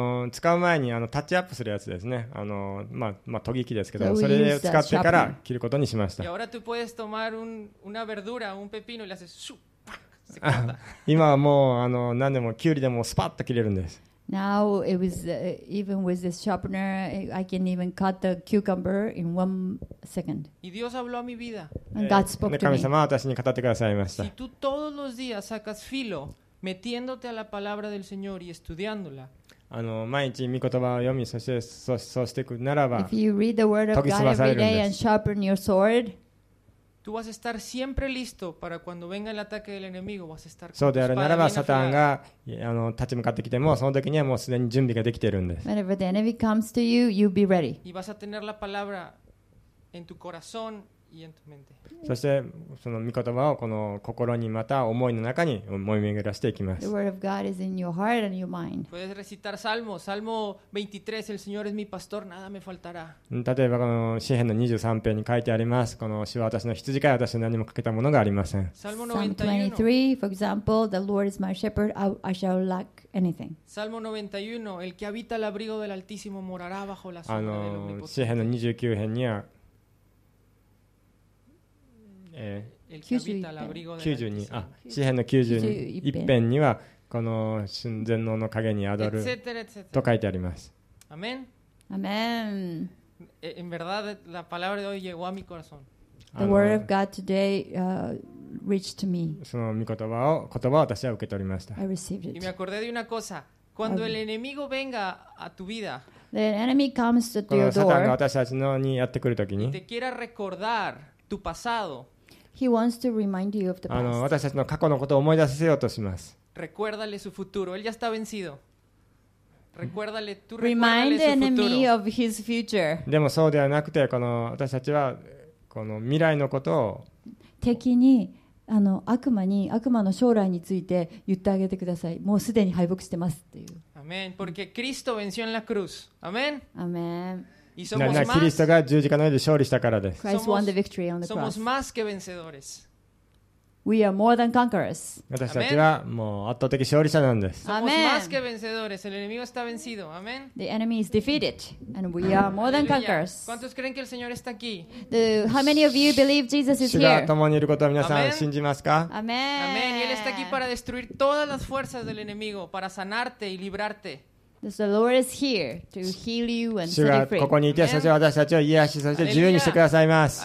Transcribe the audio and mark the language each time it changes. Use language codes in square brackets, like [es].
[ja] 使う前にタッチアップするやつですね。研ぎ機ですけど、それを使ってから切ることにしました。 [es] Y ahora tú puedes tomar una verdura, un pepino y le haces shup, pack, se corta. [ja] 今はもう何でもキュウリでもスパッと切れるんです。 [en] Now it was even with this sharpener, I can even cut the cucumber in 1 second. [es] Y Dios habló a mi vida. [en] And God spoke to me. [ja] 神様は私に語ってくださいました。 [es] Si tú todos los días sacas filo, metiéndote a la palabra del Señor y estudiándola. [ja] 毎日御言葉を読み、そしていくならば、 [en] If you read the word of God every day and sharpen your sword, [es] Tú vas a estar siempre listo para cuando venga el ataque del enemigo, vas a estar [ja] そうであるならばサタンが立ち向かってきてもその時にはもうすでに準備ができているんです。 [en] Whenever the enemy comes to you, you'll be ready. [es] Y vas a tener la palabra en tu corazón y en tu mente. [ja] そしてその御言葉をこの心にまた思いの中に思い巡らしていきます。 [en] The word of God is in your heart and your mind. [es] Puedes recitar Salmo, Salmo 23, el Señor es mi pastor, nada me faltará. [ja] 例えばこの詩篇の23篇に書いてあります。この主は私の羊飼い、私は何も欠けたものがありません。 [es] Salmo [en] 23, for example, the Lord is my shepherd, I shall lack. Anything. [es] Salmo 91, el que habita al abrigo del Altísimo morará bajo la sombra del Omnipotente. [ja] 詩篇の29編には、 [es] el que habita al abrigo del Altísimo. [ja] 詩篇の91編にはこの全能の影に宿る [la] et cetera, et cetera. [ja] と書いてあります。 [es] Amén. Amén. En verdad, la palabra de hoy llegó a mi corazón. [en] The word of God today. Reached to me. [ja] その御言葉を私は受け取りました。 [en] I received it. [es] Y me acordé de una cosa. Cuando el enemigo venga a tu vida, [en] the enemy comes to your door. [ja] サタンが私たちのにやってくるときに、 [es] te quiera recordar tu pasado. [en] He wants to remind you of the past. [ja] 私たちの過去のことを思い出させようとします。 [es] Recuérdale su futuro. Él ya está vencido. Recuérdale tu futuro. [en] Remind the enemy of his future. [ja] でもそうではなくて、この私たちはこの未来のことを敵に悪魔に悪魔の将来について言ってあげてください。もうすでに敗北してますっていう。 [es] アメン。Porque Cristo venció en la cruz. アメン。 [ja] アメン。 [es] Y somos más. [ja] キリストが十字架の上で勝利したからです。 [en] Christ won the victory on the cross. [es] Somos más que vencedores. [en] We are more than conquerors. [ja] 私たちはもう圧倒的勝利者なんです。 [es] アメン。Somos más que vencedores. El enemigo está vencido. アメン。 [en] The enemy is defeated, and we are more than conquerors. [es] ¿Cuántos creen que el Señor está aquí? [en] How many of you believe Jesus is here? [ja] 主が共にいることを皆さん信じますか？アメン。アメン。 [es] Y él está aquí para destruir todas las fuerzas del enemigo, para sanarte y librarte. [en] The Lord is here to heal you and set you free. [ja] 主がここにいて、そして私たちを癒し、そして自由にしてくださいます。